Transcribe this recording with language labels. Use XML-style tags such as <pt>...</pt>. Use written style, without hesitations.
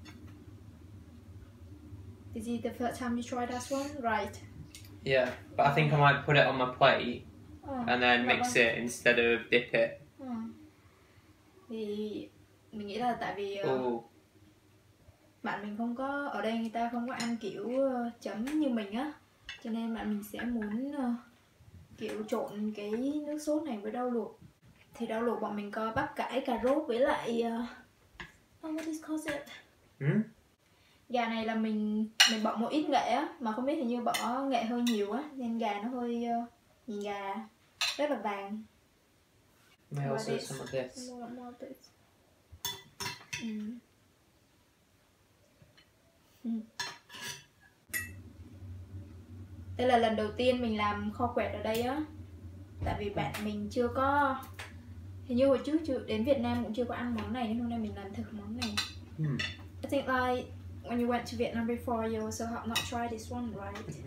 <en>Oh, this one to take. Is it the first time you tried that one? Right. Yeah, but I think I might put it on my plate and then mix it instead of dip it.</en> <vi>Thì mình nghĩ là tại vì bạn mình không có ở đây, người ta không có ăn kiểu chấm như mình á, cho nên bạn mình sẽ muốn kiểu trộn cái nước sốt này với rau luộc. Thì rau luộc bọn mình có bắp cải, cà rốt với lại</vi> <en>what is called it?</en> <vi>Gà này là mình bỏ một ít nghệ á, mà không biết hình như bỏ nghệ hơi nhiều á nên gà nó hơi nhìn gà rất là vàng.</vi> <en>May also some of this. More bits.</en> <vi>Đây là lần đầu tiên mình làm kho quẹt ở đây á, tại vì bạn mình chưa có. Thì như hồi trước đến Việt Nam cũng chưa có ăn món này, nên hôm nay mình làm thử món này.</vi> <en>I think like when you went to Vietnam before, you also have not tried this one, right?</en>